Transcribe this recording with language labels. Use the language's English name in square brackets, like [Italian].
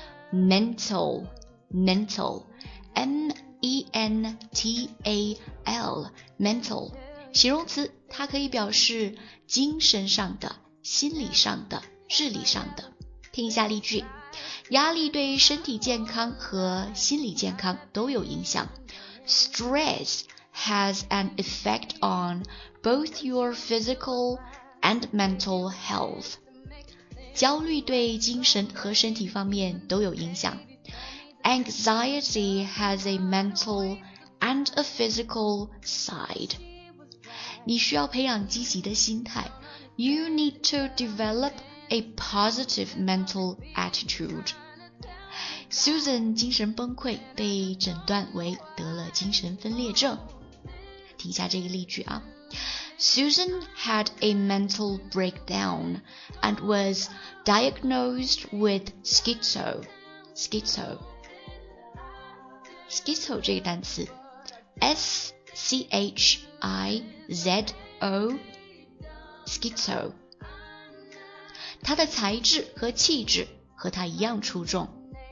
[Chinese] Mental M-E-N-T-A-L Mental 形容词，它可以表示精神上的、心理上的、智力上的。听一下例句，压力对身体健康和心理健康都有影响。 [English] Stress has an effect on both your physical and mental health. [Chinese] 焦虑对精神和身体方面都有影响。 [English] Anxiety has a mental and a physical side. [Chinese] 你需要培养积极的心态。 [English] You need to develop a positive mental attitude. [Chinese] Susan 精神崩溃，被诊断为得了精神分裂症。听一下这个例句啊。 [English] Susan had a mental breakdown and was diagnosed with schizo [Chinese] 这个单词 S-C-H-I-Z-O schizo 她的才智和气质和她一样出众。